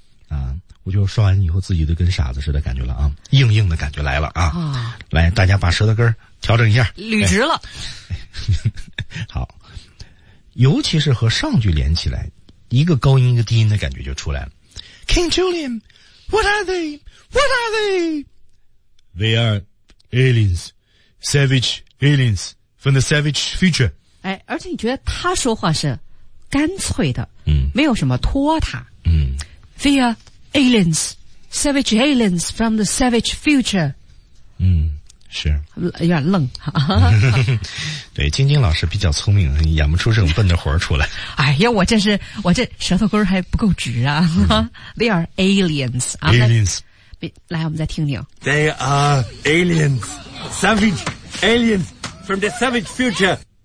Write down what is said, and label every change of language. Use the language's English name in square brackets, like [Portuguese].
[Chinese] 啊，我就说完以后，自己都跟傻子似的感觉了啊，硬硬的感觉来了啊。哦、来，大家把舌头根调整一下，捋直了。哎好，尤其是和上句连起来，一个高音一个低音的感觉就出来了。 [English] King Julian, what are they? What are they? They are aliens, savage aliens from the savage future. [Chinese] 哎，而且你觉得他说话是干脆的，嗯，没有什么拖沓，嗯。 [English] They are aliens, savage aliens from the savage future. [Chinese] 嗯。是有点愣对，晶晶老师比较聪明，演不出这种笨的活出来。哎呀，我这是我这舌头根还不够直啊 [English] They are aliens aliens、 [Chinese] 来我们再听听。 [English] They are aliens savage aliens from the savage future